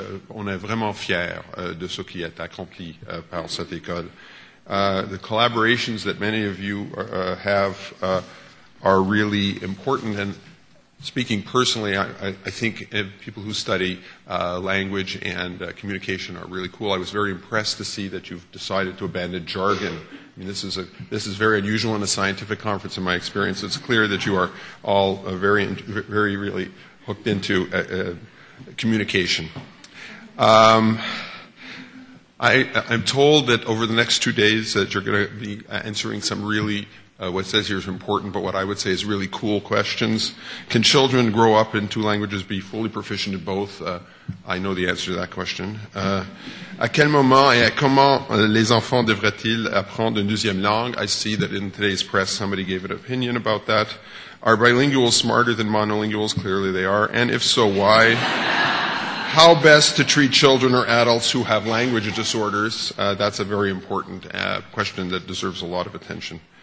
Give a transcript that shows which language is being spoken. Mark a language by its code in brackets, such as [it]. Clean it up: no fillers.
[fr] On est vraiment fiers de ce qui est accompli par cette école. [en] The collaborations that many of you have are really important. And speaking personally, I think people who study language and communication are really cool. I was very impressed to see that you've decided to abandon jargon. I mean, this is very unusual in a scientific conference in my experience. It's clear that you are all very, very really hooked into communication. I'm told that over the next 2 days that you're going to be answering some really what says here is important, but what I would say is really cool questions. Can children grow up in two languages, be fully proficient in both? I know the answer to that question. [fr] À quel moment et comment les enfants devraient-ils apprendre une deuxième langue? [en] I see that in today's press somebody gave an opinion about that. Are bilinguals smarter than monolinguals? Clearly they are. And if so, why? How best to treat children or adults who have language disorders? That's a very important question that deserves a lot of attention.